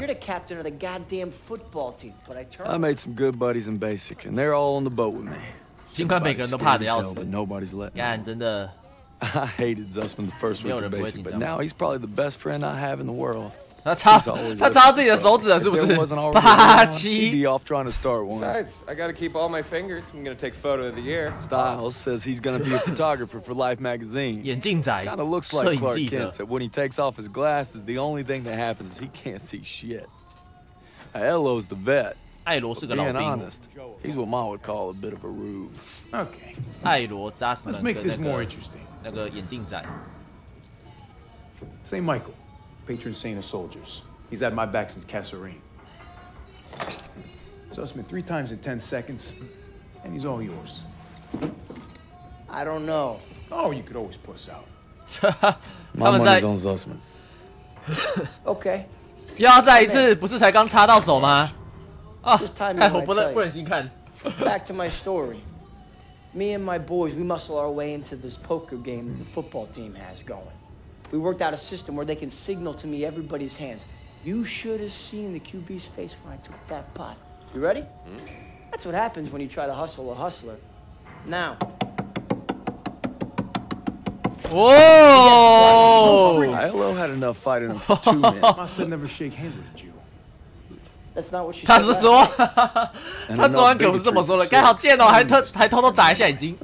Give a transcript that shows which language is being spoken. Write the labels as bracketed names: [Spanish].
[English] I made some good buddies in basic, and they're all on the boat with me. [Chinese] 尽管每个人都怕得要死，干真的。 [English] I hated Zussman the first week in basic, but now he's probably the best friend I have in the world. [Chinese] 他擦自己的手指了，是不是？八七。 [English] He'd be off trying to start one. Besides, I gotta keep all my fingers. I'm gonna take photo of the year. Styles says he's gonna be a photographer for Life magazine. [Chinese] 眼镜仔， [English] kinda looks like Clark Kent. That when he takes off his glasses, the only thing that happens is he can't see shit. Elo's the vet. [Chinese] 艾罗是个老兵。 [English] Being honest, he's what Ma would call a bit of a rube. Okay. [Chinese] 艾罗扎斯曼。 [English] Let's make this more interesting. [Chinese] 那个眼镜仔。 [English] Saint Michael. Patron saint of soldiers. He's had my back since Kasserine. Zussman, 3 times in 10 seconds, and he's all yours. I don't know. Oh, you could always puss out. My money's on Zussman. Okay. [Chinese] 又要再一次，不是才刚插到手吗？啊，哎，我不忍心看。 [English] Back to my story. Me and my boys, we muscle our way into this poker game that the football team has going. We worked out a system where they can signal to me everybody's hands. You should have seen the QB's face when I took that pot. You ready? That's what happens when you try to hustle a hustler. Now. Oh! Ilo had enough fight in him for 2 minutes. I said never shake hands with a Jew. That's not what she [Chinese] 他是说，他昨晚可不是这么说的。刚好见哦，还偷偷眨一下眼睛。